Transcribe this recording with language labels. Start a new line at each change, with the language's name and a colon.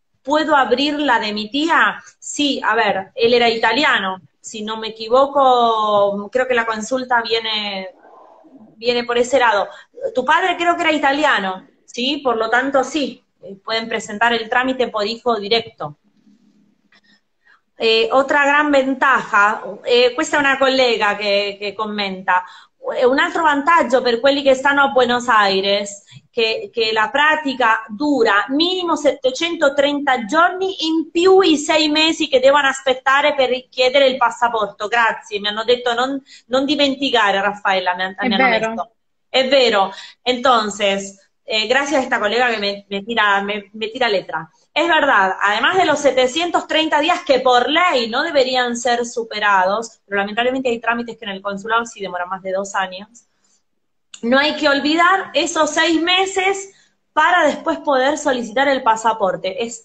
Spanish: ¿Puedo abrir la de mi tía? Sí, a ver, él era italiano, si no me equivoco, creo que la consulta viene por ese lado. Tu padre creo que era italiano, ¿sí? Por lo tanto, sí, pueden presentar el trámite por hijo directo. Otra gran ventaja,
Italian: questa è una collega che commenta. Un altro vantaggio per quelli che stanno a Buenos Aires, che la pratica dura minimo 730 giorni in più i 6 mesi che devono aspettare per richiedere il passaporto. Grazie, mi hanno detto non dimenticare, Raffaella, È mi hanno vero. messo. È vero. Entonces, grazie a questa collega che
Spanish: me tira letra. Es verdad, además de los 730 días que por ley no deberían ser superados, pero lamentablemente hay trámites que en el consulado sí demoran más de 2 años, no hay que olvidar esos 6 meses para después poder solicitar el pasaporte.